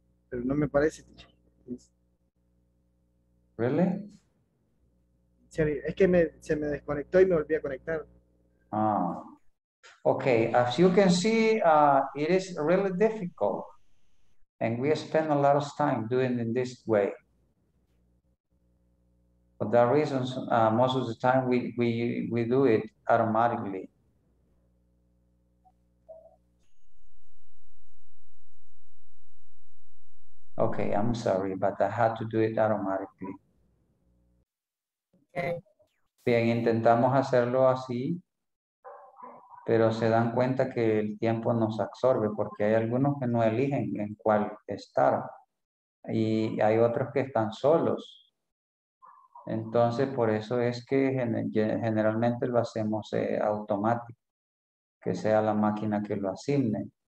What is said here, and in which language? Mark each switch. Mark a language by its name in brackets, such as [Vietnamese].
[Spanish] Pero no me parece. [English] Really? [Spanish] Es que se me desconectó y me volví a conectar. Ah. [English] Okay, as you can see, it is really difficult. And we spend a lot of time doing it in this way. For that reason, most of the time we do it automatically. Okay, I'm sorry, but I had to do it automatically. Okay. [Spanish] Bien, intentamos hacerlo así, pero se dan cuenta que el tiempo nos absorbe porque hay algunos que no eligen en cuál estar y hay otros que están solos. Entonces, por eso es que generalmente lo hacemos automático, que sea la máquina que lo asigne.